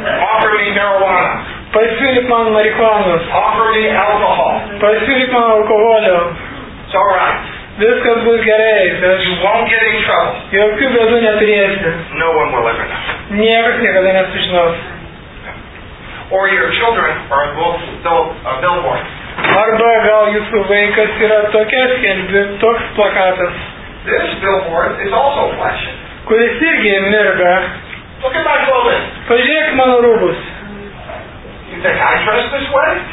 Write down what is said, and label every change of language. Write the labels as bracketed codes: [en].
[en] Offer me marijuana. [lt] Pasiūlyk man marihuanos. [en] Offer me alcohol. [lt] Pasiūlyk man alkoholio. [en] It's all right. [lt] Viskas bus gerai. [en] You won't get in trouble. [lt] Jokių bėdų neturėsi. [en] No one will ever know. [lt] Niekas niekada nesužinos. [en] Or your children are both billboards. [lt] Arba gal jūsų vaikas yra tokia skelbi, toks plakatas. [en] This billboard is also flashing. [lt] Kuris irgi mirga. [en] Look at my clothes. [lt] Pažiūrėk mano rūbus. [en] You think I dress this way?